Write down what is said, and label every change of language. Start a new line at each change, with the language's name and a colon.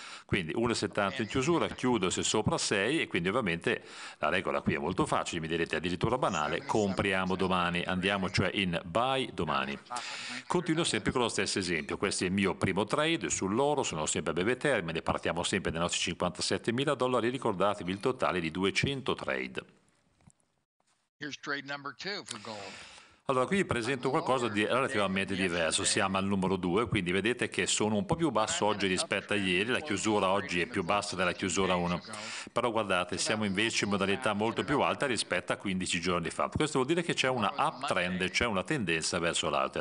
Italian: Quindi 1,70 in chiusura, chiudo se sopra 6 e quindi ovviamente la regola qui è molto facile, mi direte addirittura banale, compriamo domani, andiamo cioè in buy domani. Continuo sempre con lo stesso esempio, questo è il mio primo trade sull'oro, sono sempre a breve termine, partiamo sempre dai nostri $57,000, ricordatevi il totale di 200 trade.
English: Here's trade number two for gold.
Italian: Allora, qui vi presento qualcosa di relativamente diverso, siamo al numero 2, quindi vedete che sono un po' più basso oggi rispetto a ieri, la chiusura oggi è più bassa della chiusura 1, però guardate, siamo invece in modalità molto più alta rispetto a 15 giorni fa. Questo vuol dire che c'è una uptrend, cioè una tendenza verso l'alto.